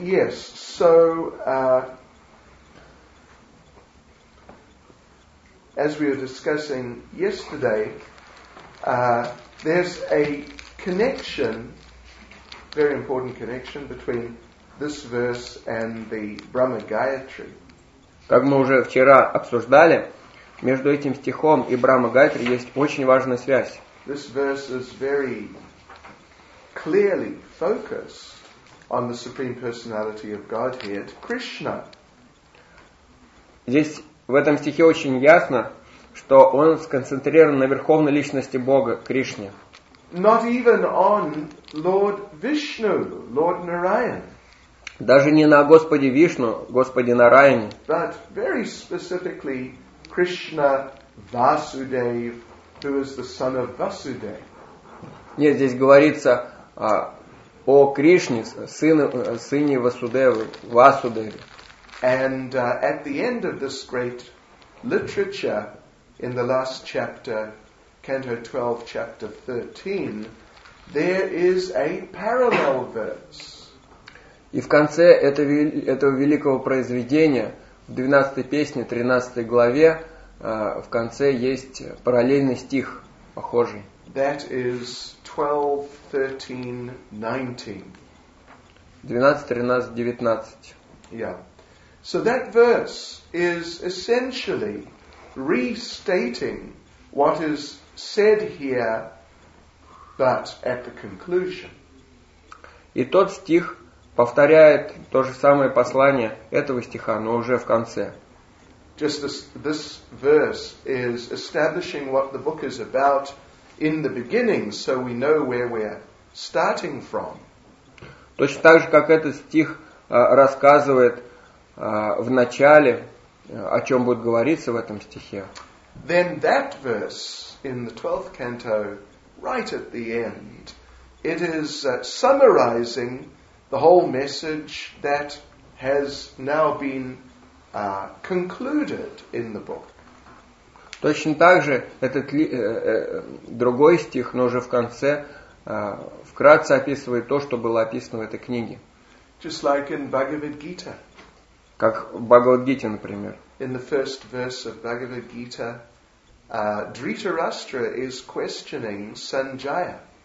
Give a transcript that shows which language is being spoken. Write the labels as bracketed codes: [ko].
[en] Yes, so as we were discussing yesterday, there's a connection, very important connection, between this verse and the Brahma Gayatri. [ru] Как мы уже вчера обсуждали, между этим стихом и Брахма Гаятри есть очень важная связь. [en] This verse is very clearly focused on the Supreme Personality of Godhead, Krishna. [ru] Здесь в этом стихе очень ясно, что он сконцентрирован на верховной личности Бога Кришне. [en] Not even on Lord Vishnu, Lord Narayan. [ru] Даже не на Господе Вишну, Господе Нараяне. [en] But very specifically Krishna Vasudev, who is the son of Vasudev. [ru] Нет, здесь говорится о Кришне, сыне Васудевы, Васудеве. [en] And at the end of this great literature, in the last chapter, Canto 12, chapter 13, there is a parallel verse. [ru] И в конце этого великого произведения, в 12 песне, 13 главе, в конце есть параллельный стих, похожий. [en] That is 12, 13, 19. 12, 13, 19. Yeah. So that verse is essentially restating what is said here, but at the conclusion. [ru] И тот стих, повторяет то же самое послание этого стиха, но уже в конце. [en] Just this verse is establishing what the book is about in the beginning, so we know where we're starting from. [ru] Точно так же, как этот стих рассказывает в начале, о чем будет говориться в этом стихе. [en] Then that verse in the 12th canto, right at the end, it is summarizing the whole message that has now been concluded in the book. [ru] Точно так же этот другой стих, но уже в конце, вкратце описывает то, что было описано в этой книге. [en] Just like in Bhagavad Gita. [ru] Как в Бхагавад-гите, например. [en] In the first verse of Bhagavad Gita, Dhritarashtra is questioning Sanjaya.